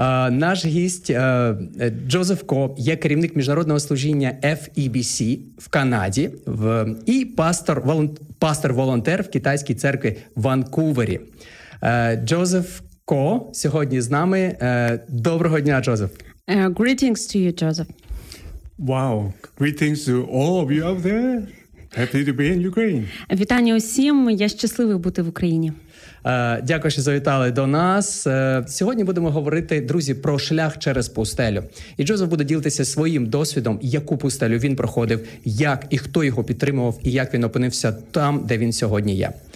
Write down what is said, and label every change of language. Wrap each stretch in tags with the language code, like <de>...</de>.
<uk>Наш гість Джозеф Ко є керівник міжнародного служіння FEBC в Канаді і пастор-волонтер в Китайській церкві в Ванкувері. Джозеф Ко сьогодні з нами. Доброго дня, Джозеф.</uk> <en>Greetings to you, Joseph. Wow, greetings to all of you out there. Happy to be in Ukraine.</en> <uk>Вітання усім, я щасливий бути в Україні. Дякую, що завітали до нас. Сьогодні будемо говорити, друзі, про шлях через пустелю. І Джозеф буде ділитися своїм досвідом, яку пустелю він проходив, як і хто його підтримував, і як він опинився там, де він сьогодні є.</uk>